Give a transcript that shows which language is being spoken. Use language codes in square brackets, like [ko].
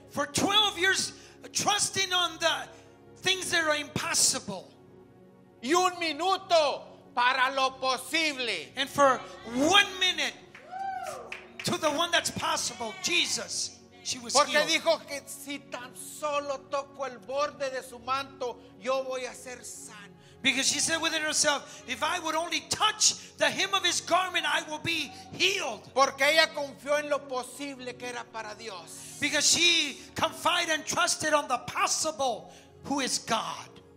[en] For 12 years trusting on the things that are impossible. [es] Y un minuto para lo posible. [en] And for 1 minute to the one that's possible, Jesus. She was [es] porque [en] healed. [es] Dijo que si tan solo toco el borde de su manto, yo voy a ser sana. [en] Because she said within herself, if I would only touch the hem of his garment, I will be healed. [es] Porque ella confió en lo posible que era para Dios. [en] Because she confided and trusted on the possible who is God.